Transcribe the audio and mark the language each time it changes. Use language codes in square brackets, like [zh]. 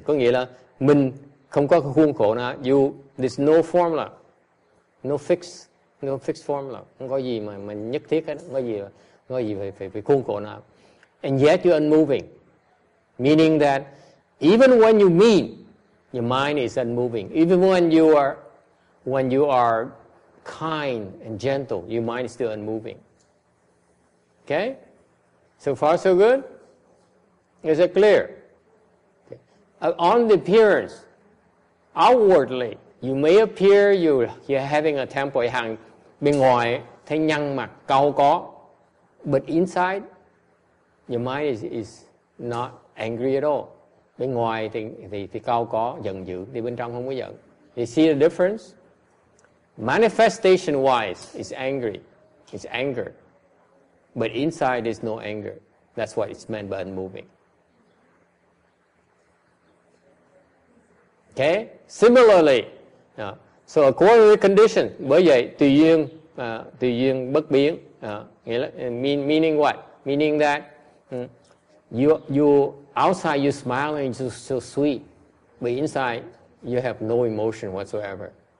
[vi] Có nghĩa là mình không có khuôn khổ nào. [en] You, there's no formula. No fixed formula. [vi] Không có gì mà mình nhất thiết hết. Không có gì phải khuôn khổ nào. [en] And yet you're unmoving. Meaning that even when you mean, your mind is unmoving. Even when you are kind and gentle, your mind is still unmoving. Okay? So far, so good? Is it clear? Okay. On the appearance, outwardly, you may appear you're having a temple hang [vi] bên ngoài thấy nhăn mặt cau có, [en] but inside, your mind is not angry at all. [vi] Bên ngoài thì cau có giận dữ, thì bên trong không có giận. [en] You see the difference? Manifestation wise, it's angry, it's anger, but inside is no anger. That's what it's meant by unmoving. Okay. Similarly, so according to condition, [vi] bởi vậy tùy duyên bất biến. [en] Meaning what? Meaning that you outside you smiling so sweet, but inside you have no emotion whatsoever.